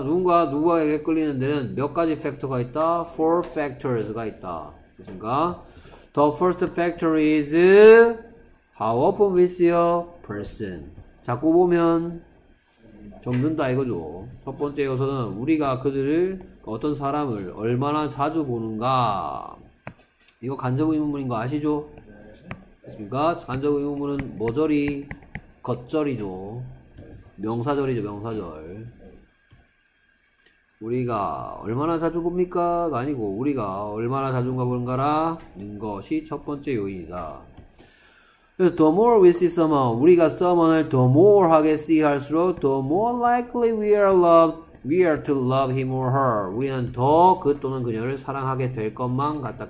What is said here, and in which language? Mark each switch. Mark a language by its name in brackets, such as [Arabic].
[Korean] 누군가 누구에게 끌리는 데는 몇 가지 팩터가 있다? [English] Four factors [Korean] 가 있다. 됐습니까? [English] The first factor is how often we see a person. [Korean] 자꾸 보면 접는다 이거죠. 첫 번째 요소는 우리가 그들을 어떤 사람을 얼마나 자주 보는가. 이거 간접 의문문인 거 아시죠? 그렇습니까? 간접 의문문은 머저리 겉절이죠. 명사절이죠. 명사절. 우리가 얼마나 자주 봅니까? 아니고 우리가 얼마나 자주인가 보는가라는 것이 첫 번째 요인이다. 그래서 [English] the more we see someone, [Korean] 우리가 someone을 the more 하게 see 할수록 [English] the more likely we are to love him or her. [Korean] 우리는 더 그 또는 그녀를 사랑하게 될 것만 같다.